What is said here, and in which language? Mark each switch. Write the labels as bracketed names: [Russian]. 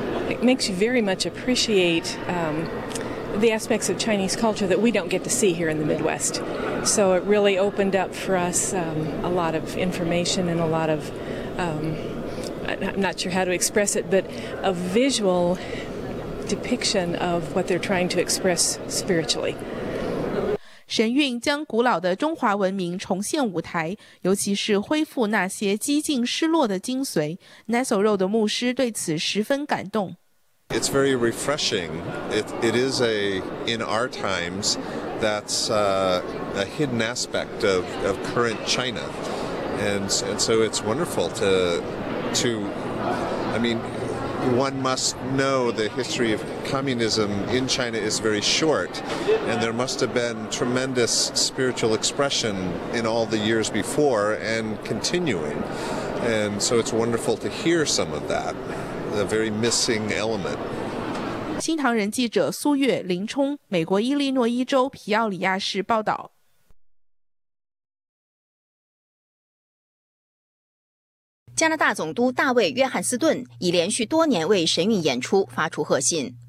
[English] It makes you very much appreciate the aspects of Chinese culture that we don't get to see here in the Midwest. So it really opened up for us a lot of information and a lot of, I'm not sure how to express it, but a visual depiction of what they're trying to express spiritually. [Chinese] 神韵将古老的中华文明重现舞台，尤其是恢复那些激进失落的精髓。 Nesoro 的牧师对此十分感动。 [English] It's very refreshing. It is a, in our times, that's a hidden aspect of current China. And so it's wonderful to, I mean, one must know the history of communism in China is very short, and there must have been tremendous spiritual expression in all the years before and continuing. And so it's wonderful to hear some of that. A very missing element. [Chinese] 新唐人记者苏月、林冲，美国伊利诺伊州皮奥里亚市报道。加拿大总督大卫·约翰斯顿已连续多年为神韵演出发出贺信。